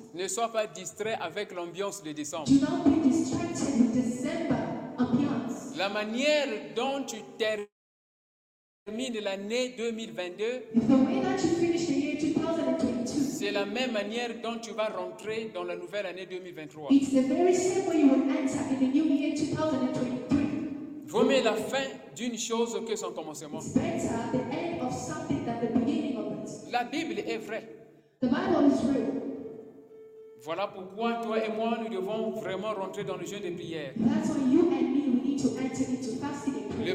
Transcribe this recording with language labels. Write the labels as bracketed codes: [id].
[fr] ne sois pas distrait avec l'ambiance de décembre. [en] Do not be distracted with December ambiance. [fr] La manière dont tu termines l'année 2022, [en] the way that you finish the year 2022, [fr] c'est la même manière dont tu vas rentrer dans la nouvelle année 2023. [en] It's the very same way you will enter in the new year 2023. [fr] Vaut mieux la fin d'une chose que son commencement. [en] It's better the end of something than the beginning of it. [fr] La Bible est vraie. [en] The Bible is real. [fr] Voilà pourquoi toi et moi nous devons vraiment rentrer dans le jeûne de prière. [en] That's why you and me, we need to enter into fasting and prayer.